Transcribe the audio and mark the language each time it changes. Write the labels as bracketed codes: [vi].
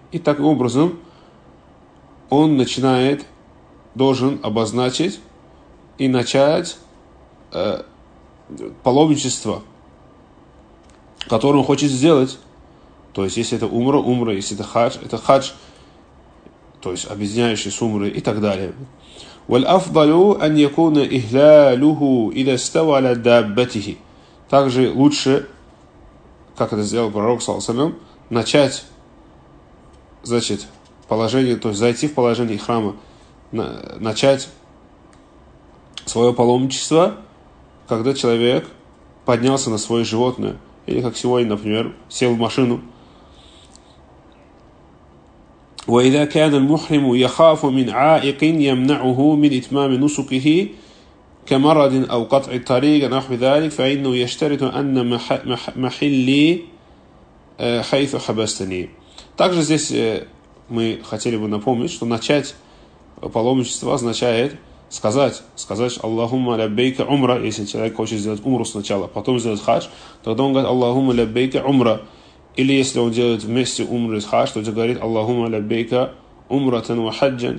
[ru] И таким образом он начинает, должен обозначить и начать паломничество, которое он хочет сделать. То есть если это умра, умра, если это хадж, то есть объединяющий с умрой и так далее. [ar] والأفضل أن يكون إهلاله إذا استوى على دابته. [ru] Также лучше, как это сделал пророк, салям, начать, значит, положение, то есть зайти в положение храма, начать свое паломничество, когда человек поднялся на свое животное. Или как сегодня, например, сел в машину. [ar] وإذا كان المحرم يخاف من عائق يمنعه من إتمام نسكه كمرض أو قطع الطريق نحو ذلك فإنه يشترط أن محلي حيث حبستني. [ru] Также здесь мы хотели бы напомнить, что начать паломничество означает сказать [ar] Аллахумма лаббейка умра. [ru] Если человек хочет сделать умру сначала, потом сделать хадж, тогда он говорит [ar] Аллахумма лаббейка умра. [ru] Или если он делает вместе умру и хадж, то он говорит [ar] Аллахумма лаббейка умратан ва хаджан.